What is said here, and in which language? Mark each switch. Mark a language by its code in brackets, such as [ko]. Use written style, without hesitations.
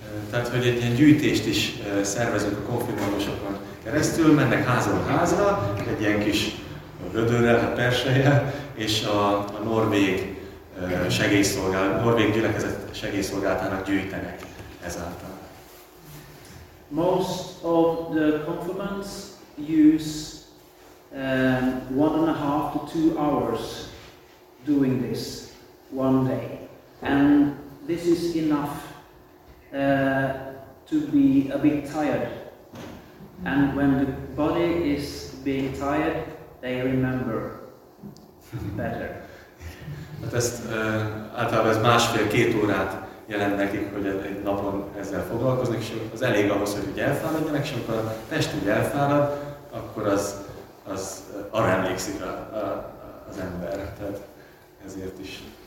[hu] Tehát, hogy egy ilyen gyűjtést is szervezünk a konfirmandusokon keresztül, mennek házról házra, egy ilyen kis vödörrel, persejjel, és a norvég segélyszolgálat, norvég gyülekezet segélyszolgálatának gyűjtenek ezáltal. [en] Most of the confirmants use 1.5 to 2 hours doing this one day, and this is enough to be a bit tired. And when the body is being tired, they remember better. [hu] Hát ezt általában ez 1.5-2 órát jelent nekik, hogy egy napon ezzel foglalkoznak, és az elég ahhoz, hogy ugye elfáradjanak, és amikor a test ugye elfárad, akkor az arra emlékszik az ember, tehát ezért is.